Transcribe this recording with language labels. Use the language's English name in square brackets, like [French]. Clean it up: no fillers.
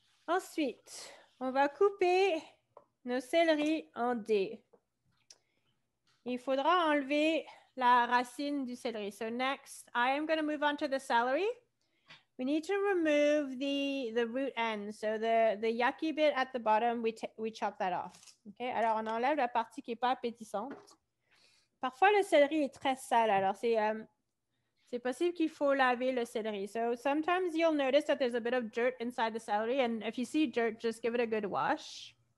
[French] Ensuite, on va couper nos céleri en dés. Il faudra enlever la racine du céleri. [English] So next, I am going to move on to the celery. We need to remove the root end. So the yucky bit at the bottom, we chop that off. Okay. [French] Alors, on enlève la partie qui n'est pas appétissante. Parfois, le céleri est très sale. Alors, c'est possible qu'il faut laver le céleri. [English] So sometimes you'll notice that there's a bit of dirt inside the celery. And if you see dirt, just give it a good wash.